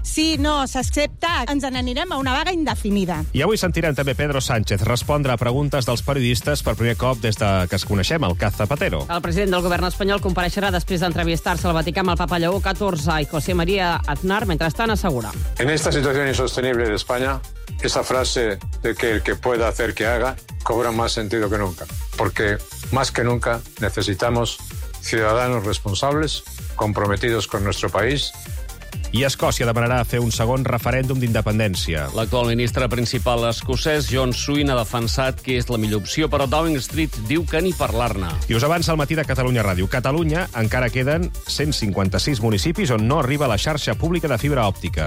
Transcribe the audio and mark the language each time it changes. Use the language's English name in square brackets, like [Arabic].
[Catalan] Si no s'accepta, ens n'anirem a una vaga indefinida. I avui sentirem també Pedro Sánchez respondre a preguntes dels periodistes per primer cop des de que es coneixem el cas Zapatero. El president del govern espanyol compareixerà després d'entrevistar-se al Vaticà amb el papa Lleó XIV i José María Aznar, mentrestant assegura. [Spanish] En esta situación insostenible de España, esa frase de que el que pueda hacer que haga cobra más sentido que nunca. Porque más que nunca necesitamos ciudadanos responsables, comprometidos con nuestro país. [Catalan] I Escòcia demanarà fer un segon referèndum d'independència. L'actual ministre principal escocès, John Swin, ha defensat que és la millor opció, però Downing Street diu que ni parlar-ne. I us avança el matí de Catalunya Ràdio. Catalunya encara queden 156 municipis on no arriba la xarxa pública de fibra òptica.